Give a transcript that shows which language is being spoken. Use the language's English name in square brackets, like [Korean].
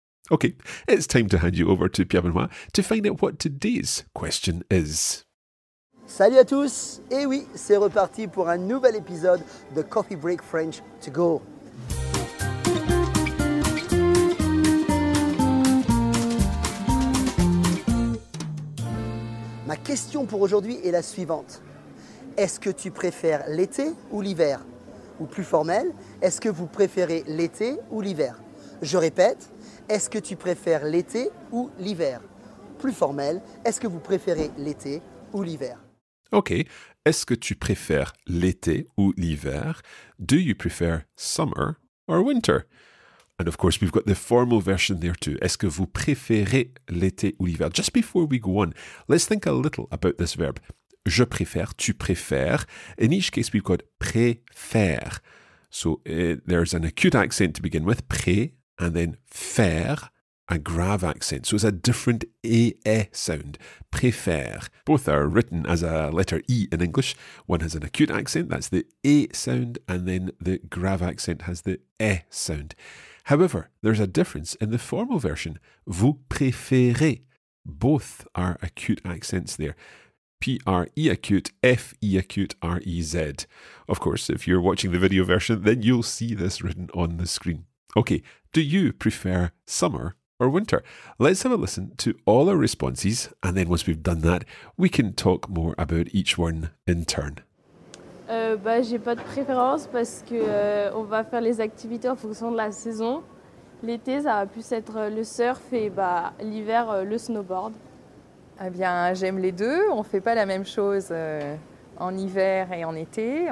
[English] Okay, it's time to hand you over to Pierre Benoit to find out what today's question is. [French] Salut à tous! Et oui, c'est reparti pour un nouvel épisode de Coffee Break French To Go. Ma question pour aujourd'hui est la suivante. Est-ce que tu préfères l'été ou l'hiver? Ou plus formel, est-ce que vous préférez l'été ou l'hiver? Je répète, est-ce que tu préfères l'été ou l'hiver? Plus formel, est-ce que vous préférez l'été ou l'hiver? Ok, est-ce que tu préfères l'été ou l'hiver? [English] Do you prefer summer or winter? And of course, we've got the formal version there too. [French] Est-ce que vous préférez l'été ou l'hiver? [English] Just before we go on, let's think a little about this verb. [French] Je préfère, tu préfères. [English] In each case, we've got préfère. So there's an acute accent to begin with, pré, and then faire, a grave accent. So it's a different ee sound, préfère. Both are written as a letter e in English. One has an acute accent, that's the e sound, and then the grave accent has the e sound. However, there's a difference in the formal version, vous préférez. Both are acute accents there. P-R-E acute, F-E acute, R-E-Z. Of course, if you're watching the video version, then you'll see this written on the screen. Okay, do you prefer summer or winter? Let's have a listen to all our responses, and then once we've done that, we can talk more about each one in turn. [French] J'ai pas de préférence parce que on va faire les activités en fonction de la saison. L'été, ça va plus être le surf et l'hiver, le snowboard. Eh bien, j'aime les deux. On ne fait pas la même chose en hiver et en été.